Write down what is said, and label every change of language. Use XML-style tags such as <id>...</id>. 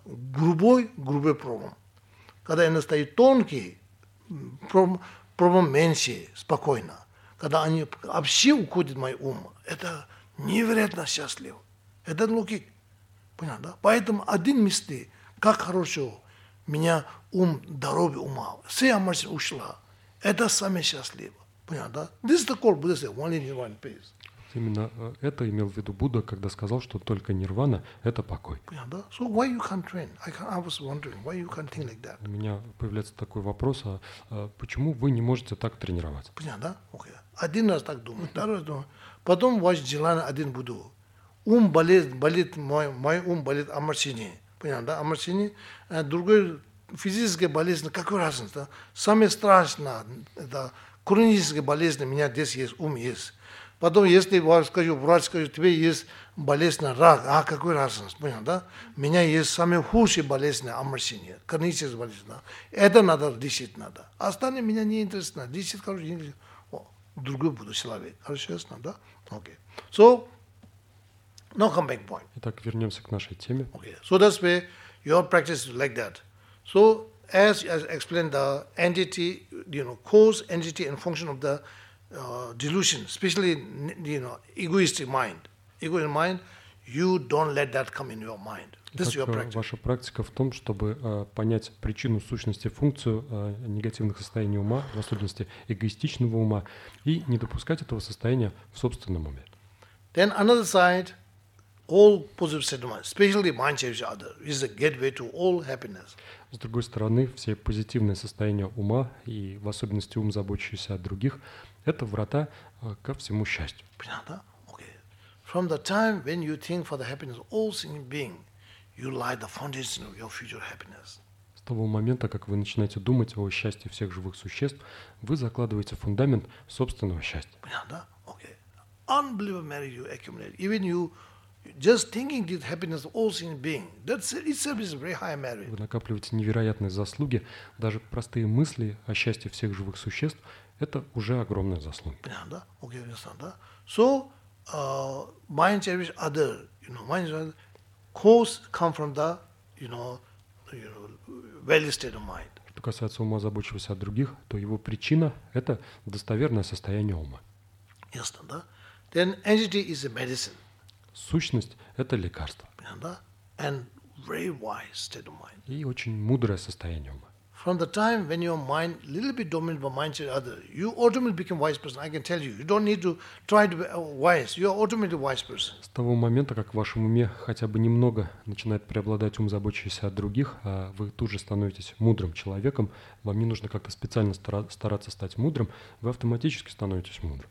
<ru>Грубой пробом. Когда они стоят тонкие, пробом меньше, спокойно. Когда они вообще уходят в мой ум, это невероятно счастливо. Это логик. Понятно, да? Поэтому один мысли, как хорошо, меня ум, здоровье ума, все омрачения ушло. Это самое счастливое. Понятно, да?</ru> <en>This is the call Buddha said, only nirvana peace.</en> <ru>Именно это имел в виду Будда, когда сказал, что только нирвана – это покой. Понятно, да?</ru> <en>So why you can't train? I was wondering, why you can't think like that?</en> <ru>У меня появляется такой вопрос, почему вы не можете так тренироваться? Понятно, да?</ru> <en>Okay.</en> <ru>Один раз так думаю, второй раз думаю. Потом ваш желание один Будду. Ум болит, мой ум болит омрачение. Понятно, да? Омрачение. Другой физическая болезнь, какая разница? Да? Самое страшное, да, хроническая болезнь, у меня здесь есть, ум есть. Потом, если вам скажу, врач скажет, тебе есть болезнь рак, а какой разница, понял, да? У меня есть самые худшие болезни, омрачение, хроническая болезнь. Да? Это надо лечить, надо. Остальные меня не интересно, лечить, короче, не лечить. О, другой буду человек, хорошо, ясно, да? Окей.</ru> <en>Okay. So, no comeback point.</en> <ru>Итак, вернемся к нашей теме.</ru> <en>Okay. So, that's why your practice is like that. So, as I explained, the entity, you know, cause, entity and function of the delusion, especially, you know, egoistic mind. Egoistic mind, you don't let that come in your mind. This is your practice.</en> <ru>Ваша практика в том, чтобы понять причину сущности, функцию негативных состояний ума, в особенности эгоистичного ума, и не допускать этого состояния в собственном уме.</ru> <en>Then another side, all positive sentiments, especially mind change each other, is a gateway to all happiness.</en> <ru>С другой стороны, все позитивные состояния ума и в особенности ум, заботящийся о других, это врата ко всему счастью. Понятно? Okay.</ru> <en>From the time when you think for the happiness of all sentient being, you lie the foundation of your future happiness.</en> <ru>С того момента, как вы начинаете думать о счастье всех живых существ, вы закладываете фундамент собственного счастья. Понятно?</ru> <en>Okay. Unbelievable merit you accumulate. Even you just thinking this happiness of all sentient being, that's itself is a very high merit.</en> <ru>Вы накапливаете невероятные заслуги, даже простые мысли о счастье всех живых существ. Это уже огромная заслуга. Понятно, да? Окей, ясно, да?</ru> <en>So, mind cherish other, you know, mind cherish cause come from the, you know, value state of mind.</en> <ru>Что касается ума, заботящегося о других, то его причина – это достоверное состояние ума. Ясно, да?</ru> <en>Then entity is a medicine.</en> <ru>Сущность – это лекарство. Понятно, да?</ru> <en>And very wise state of mind.</en> <ru>И очень мудрое состояние ума.</ru> <en>From the time when your mind a little bit dominated by mindset other, you automatically become wise person. I can tell you, you don't need to try to be wise. You are automatically wise person.</en> <ru>С того момента, как в вашем уме хотя бы немного начинает преобладать ум, заботящийся о других, вы тут же становитесь мудрым человеком. Вам не нужно как-то специально стараться стать мудрым. Вы автоматически становитесь мудрым.</ru>